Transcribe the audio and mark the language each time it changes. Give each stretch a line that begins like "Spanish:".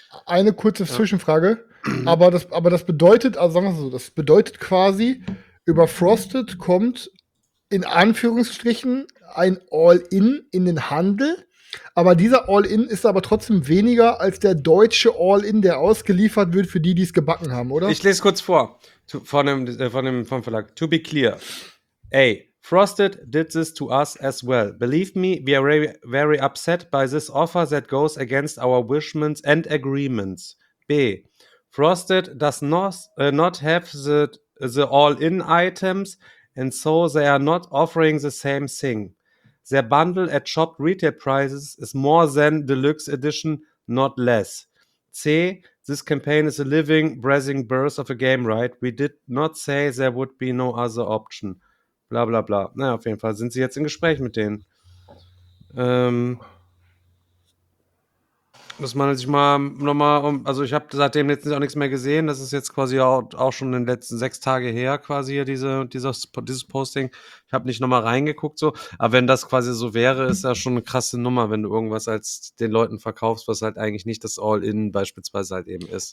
German: Eine kurze Zwischenfrage, aber das bedeutet, also sagen wir so, das bedeutet quasi, über Frosted kommt in Anführungsstrichen ein All-In in den Handel, aber dieser All-In ist aber trotzdem weniger als der deutsche All-In, der ausgeliefert wird für die, die es gebacken haben, oder? Ich lese kurz vor, vom Verlag.
English: To be clear, A, Frosted did this to us as well. Believe me, we are very, very upset by this offer that goes against our wishments and agreements. B, Frosted does not have the All-In items, and so they are not offering the same thing. Their bundle at shop retail prices is more than deluxe edition, not less. C, this campaign is a living, breathing birth of a game, right? We did not say there would be no other option. Bla bla bla.
German: Naja, auf jeden Fall sind sie jetzt in Gespräch mit denen. Muss man sich mal nochmal um. Also ich habe seitdem jetzt auch nichts mehr gesehen. Das ist jetzt quasi auch schon in den letzten 6 Tagen her, quasi hier dieses Posting. Ich habe nicht nochmal reingeguckt so. Aber wenn das quasi so wäre, ist ja schon eine krasse Nummer, wenn du irgendwas als den Leuten verkaufst, was halt eigentlich nicht das All-In beispielsweise halt eben ist.